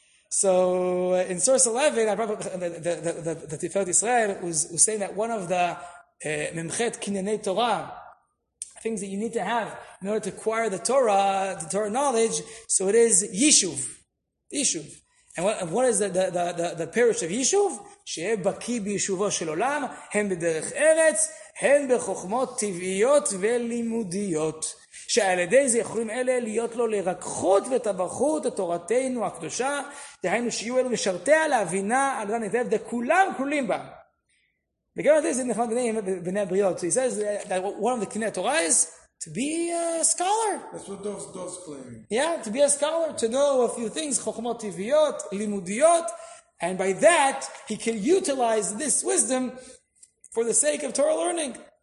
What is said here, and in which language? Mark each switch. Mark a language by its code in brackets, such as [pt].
[en] So, in source 11, I brought up the Tiferet Yisrael, was saying that one of the Memchet Kinyanei Torah, things that you need to have in order to acquire the Torah knowledge, so it is Yishuv. Yishuv. And what is the parish of Yishuv? [he] She'e baki b'yishuvo shel olam, hem b'derech eretz, הן בחוכמות טבעיות ולימודיות, שעל ידי זה יכולים אלה להיות לו לרקחות וטבחות את תורתנו הקדושה, דהיינו שיהיו אלו משרתיה להבינה על ידן היטב, וכולם כלולים בה. וגם על ידי זה נחמד בני הבריאות. [en] So he says that one of the קני התורה is to be a scholar. That's what those claim. Yeah, to be a scholar, to know a few things, [he] חוכמות טבעיות, לימודיות, [en] and by that he can utilize this wisdom for the sake of Torah learning.